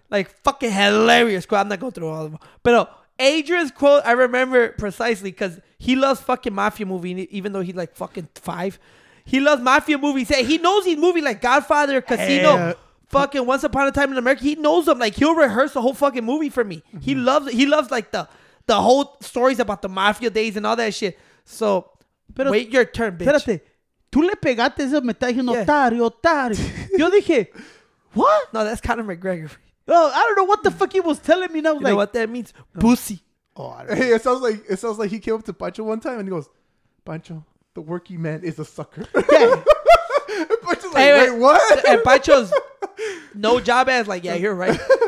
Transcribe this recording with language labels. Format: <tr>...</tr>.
<en>Like fucking hilarious quote. I'm not going through all of them. But Adrian's quote, I remember precisely because he loves fucking mafia movie, even though he's like fucking 5. He loves mafia movies. He knows these movies like Godfather, Casino, fucking Once Upon a Time in America. He knows them. Like, he'll rehearse the whole fucking movie for me. Mm-hmm. He loves like the whole stories about the mafia days and all that shit. So,</en> <es>pero,</es> <en>wait your turn, bitch.</en> <es>Espérate. Tú le pegaste eso, me está diciendo, Tario. Yo dije,</es> <en>what? No, that's Conor McGregor. Oh, I don't know what the fuck he was telling me. And I was you know what that means? Pussy. Oh, I don't know. Hey, it sounds like he came up to Pancho one time and he goes, Pancho. The working man is a sucker. And Pancho's like, anyway, wait, what? And Pancho's no job ass. Like, yeah, you're right.</en>